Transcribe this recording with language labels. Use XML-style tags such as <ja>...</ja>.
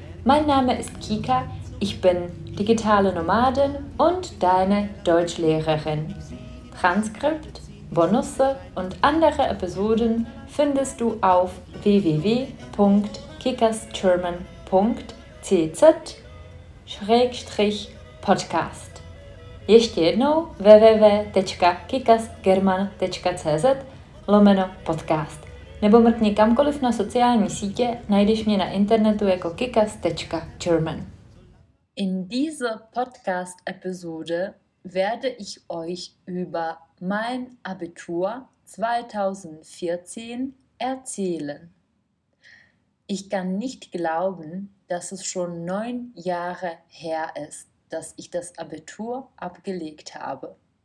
<de>Mein Name ist Kika, ich bin digitale Nomadin und deine Deutschlehrerin. Transkript, Bonusse und andere Episoden findest du auf www.kikasgerman.cz/podcast.</de> <cs>Ještě jednou www.kikasgerman.cz/podcast nebo mrkni kamkoliv na sociální sítě, najdeš mě na internetu jako kikas.german.</cs> <de>In dieser Podcast-Episode werde ich euch über mein Abitur 2014 erzählen. Ich kann nicht glauben, dass es schon 9 Jahre her ist, dass ich das Abitur abgelegt habe.</de>